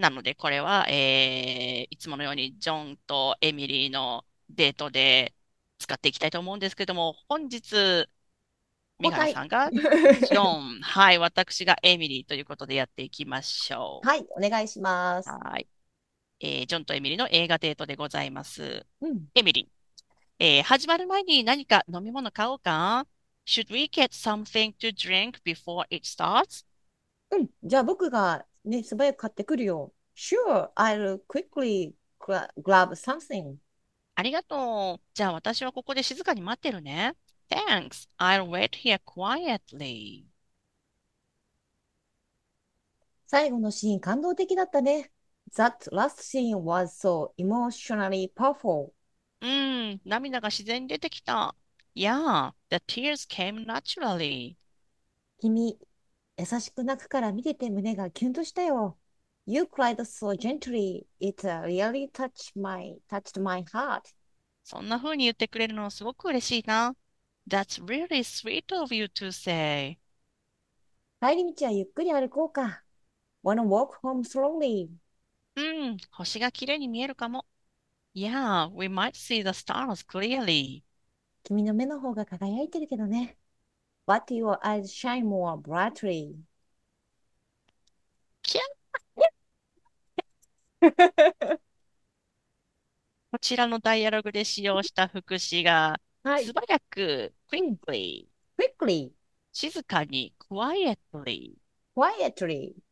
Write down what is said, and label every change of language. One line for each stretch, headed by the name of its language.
Japanese: なのでこれは、いつものようにジョンとエミリーのデートで使っていきたいと思うんですけども、本日三原さんがジョン、はい、私がエミリーということでやっていきましょう。はい、お願いします。はい、ジョンとエミリーの映画デートでございます。うん、エミリー、始まる前に何か飲み物買おうか。
English: Should we get something to drink before it starts?
Japanese: うん、じゃあ僕がね、素早く買ってくるよ。
English: Sure, I'll quickly grab something.
Japanese: ありがとう。じゃあ私はここで静かに待ってるね。
English: Thanks, I'll wait here quietly.
Japanese: 最後のシーン感動的だったね。
English: That last scene was so emotionally powerful.
Japanese: うん、涙が自然に出てきた。
English: Yeah, the tears came naturally.
Japanese: 君、優しく泣くから見てて胸がキュンとしたよ。
English: You cried so gently. It really touched my heart.
Japanese: そんな風に言ってくれるのすごく嬉しいな。
English: That's really sweet of you to say.
Japanese: 帰り道はゆっくり歩こうか。
English: Wanna walk home slowly?
Japanese: うん、星が綺麗に見えるかも。
English: Yeah, we might see the stars clearly.
Japanese: 君の目の方が輝いてるけどね。
English: But your eyes shine more brightly.
Japanese: キャッこちらのダイアログで使用した副詞が、はい、素早く、
English: quickly、 quickly、
Japanese: 静かに、
English: quietly、 quietly、